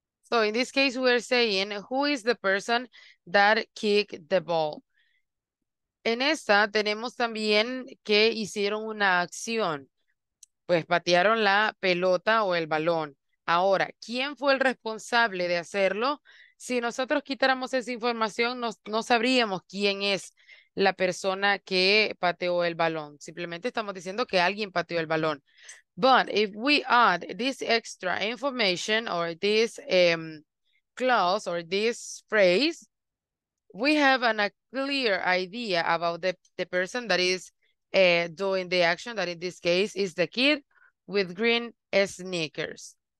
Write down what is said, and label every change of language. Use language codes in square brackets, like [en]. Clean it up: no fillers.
[en] So in this case, we're saying, who is the person that kicked the ball? [es] En esta tenemos también que hicieron una acción, pues patearon la pelota o el balón. Ahora, ¿quién fue el responsable de hacerlo? Si nosotros quitáramos esa información, no sabríamos quién es la persona que pateó el balón. Simplemente estamos diciendo que alguien pateó el balón. [en] But if we add this extra information or this clause or this phrase, we have a clear idea about the person that is doing the action, that in this case is the kid with green sneakers.